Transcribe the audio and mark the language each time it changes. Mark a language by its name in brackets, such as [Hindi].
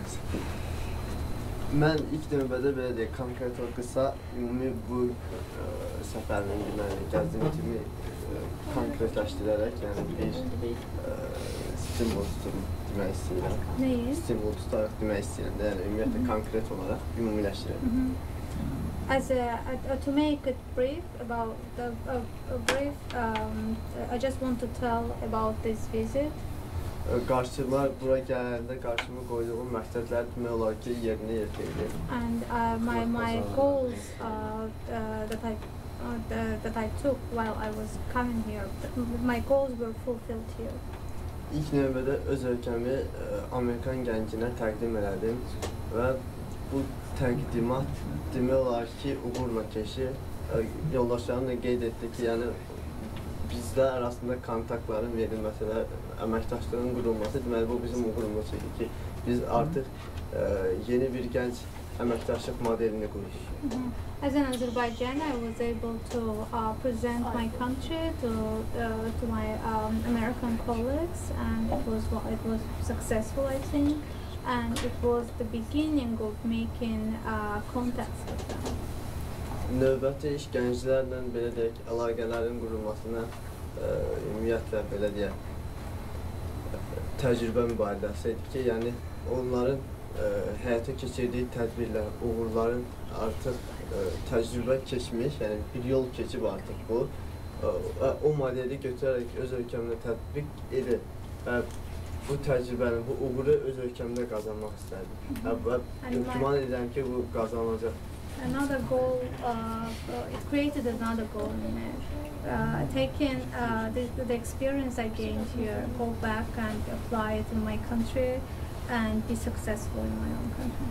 [Azerbaijani] Mən ilk növbədə belə deyək, konkret olaraq qısa, ümumi bu səfərlə günlərlə gəzdiyim kimi konkretləşdirərək, yəni bir stimul tutum demək istəyirəm. Nəyi? Stimul tutaraq demək istəyirəm, yəni ümumiyyətlə konkret olaraq ümumiləşdirəm. [English] As to make it brief about the brief, I just want to tell about this visit. [Azerbaijani] Qarşılar bura gələndə qarşıma qoyduğum məqsədlər demək olar ki yerinə yetirdim. [English] And my goals that I took while I was coming here, my goals were fulfilled here. [Azerbaijani] İlk növbədə öz ölkəmi Amerikan gəncinə təqdim elədim və bu təqdimat demək olar ki uğurla keçdi. Yoldaşlarım da qeyd etdi ki, yəni bizdə arasında kontaktların verilməsi və əməkdaşlığın qurulması, deməli bu bizim uğurumuz idi ki, biz artıq yeni bir gənc əməkdaşlıq modelini qurmuşuq. [English] As an Azerbaijan, I was able to present my country to my American colleagues, and it was successful, I think, and it was the beginning of making contacts with them. [Azerbaijani] Növbəti iş gənclərlə belə deyək, əlaqələrin qurulmasına ümumiyyətlə belə deyək təcrübə mübadiləsi idi ki, yəni onların həyata keçirdiyi tədbirlər, uğurların artıq təcrübə keçmiş, yəni bir yol keçib artıq bu. O modeli götürərək öz ölkəmdə tətbiq edib və bu təcrübəni, bu uğuru öz ölkəmdə qazanmaq istərdim. Və güman edirəm ki, bu qazanacaq. [English] Another goal, it created another goal in it. Taking the experience I gained here, go back and apply it in my country and be successful in my own country.